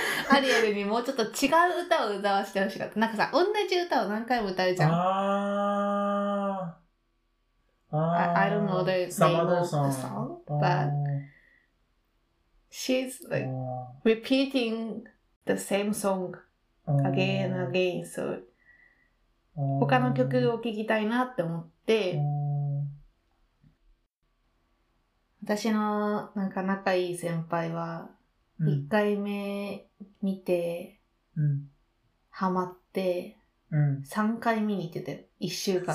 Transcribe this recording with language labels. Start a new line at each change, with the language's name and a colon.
Japanese: アリエルにもうちょっと違う歌を歌わせてほしかった。なんかさ、同じ歌を何回も歌うじゃん。ああ。
English: I don't know the name of the song, but she's like repeating the same song again and again.
Japanese: So, 他の曲を聴きたいなって思って、私のなんか仲いい先輩は1回目見てハマって3回見に行ってて1週間